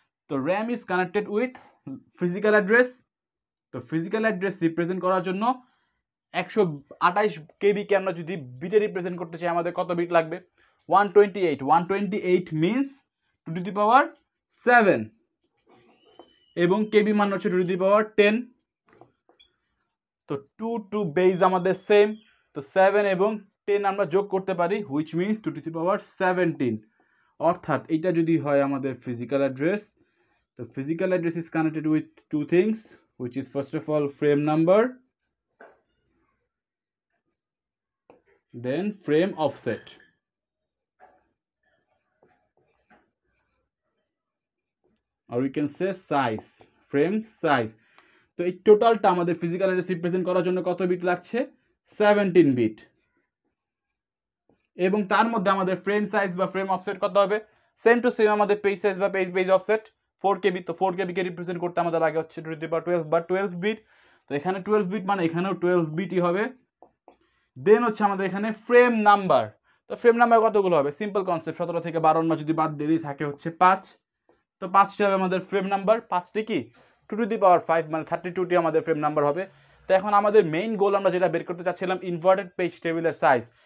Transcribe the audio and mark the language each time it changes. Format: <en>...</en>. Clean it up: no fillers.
<en>তো RAM is connected with physical address,</en> <bn>তো physical address represent করার জন্য 128 KBকে আমরা যদি বিটে রিপ্রেজেন্ট করতে চাই আমাদের কত বিট লাগবে, 128 মিন্স 2 টু দি পাওয়ার 7, এবং কেবি মান হচ্ছে 2 টু দি পাওয়ার 10। তো 2 টু বেস আমাদের সেম, তো 7 এবং 10 আমরা যোগ করতে পারি, হুইচ মিন্স 2 টু দি পাওয়ার 17। অর্থাৎ এইটা যদি হয় আমাদের ফিজিক্যাল অ্যাড্রেস, তো physical address</bn> <en>Is connected with two things, which is first of all frame number, then frame offset. Or we can say size, frame size. So a total time of the physical address represent</en> <bn>করার জন্য কত</bn> <en>bit</en> <bn>লাগছে?</bn> <en>17 bit.</en> <bn>এবং তার মধ্যে আমাদের frame size বা frame offset কত হবে? Same to same আমাদের page size বা page base offset 4KB. তো 4KB কে represent করতে আমাদের লাগে হচ্ছে 12 bit. তো এখানে 12 bit মানে এখানেও 12 bitই হবে. Then হচ্ছে আমাদের এখানে frame number. তো frame number কতগুলো হবে?</bn> <en>Simple concept.</en> <bn>17 থেকে 12 না যদি বাদ দিয়ে থাকে হচ্ছে 5. তো 5টি হবে আমাদের frame number. 5টি কি? 2 to the power 5 মানে 32 টি আমাদের frame number হবে. তো এখন আমাদের মেইন গোল আমরা যেটা বের করতে চাচ্ছিলাম inverted page table এর সাইজ.</bn>